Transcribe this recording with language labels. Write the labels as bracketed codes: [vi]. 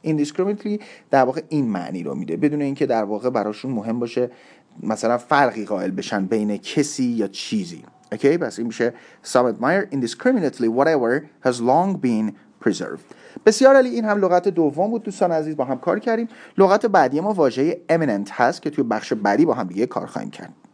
[fa] indiscriminately در واقع این معنی رو میده، بدون اینکه در واقع براشون مهم باشه مثلا فرقی قائل بشن بین کسی یا چیزی. اوکی، پس این میشه [en] some admire indiscriminately whatever has long been preserved. [fa] بسیار علی، این هم لغت دوم بود دوستان عزیز، با هم کار کردیم. لغت بعدی ما واژه eminent هست که توی بخش بعدی با هم دیگه کار خواهیم کرد.